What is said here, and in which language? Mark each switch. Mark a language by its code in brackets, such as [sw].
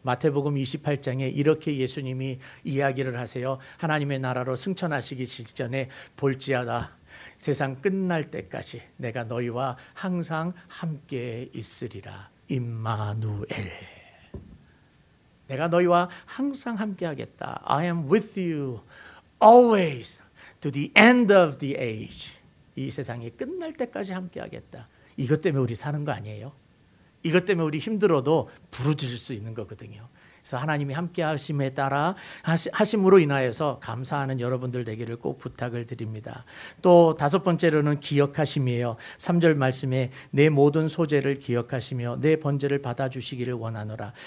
[ko] 마태복음 28장에 이렇게 예수님이 이야기를 하세요. 하나님의 나라로 승천하시기 직전에 볼지어다 세상 끝날 때까지 내가 너희와 항상 함께 있으리라. 임마누엘. 내가 너희와 항상 함께 하겠다. [en] I am with you always to the end of the age. [ko] 이 세상이 끝날 때까지 함께 하겠다. 이것 때문에 우리 사는 거 아니에요? 이것 때문에 우리 힘들어도 부르짖을 수 있는 거거든요. 그래서 하나님이 함께 하심에 따라 하심으로 인하여서 감사하는 여러분들 되기를 꼭 부탁을 드립니다. 또 다섯 번째로는 기억하심이에요. 3절 말씀에 내 모든 소재를 기억하시며 내 번제를 받아주시기를 원하노라.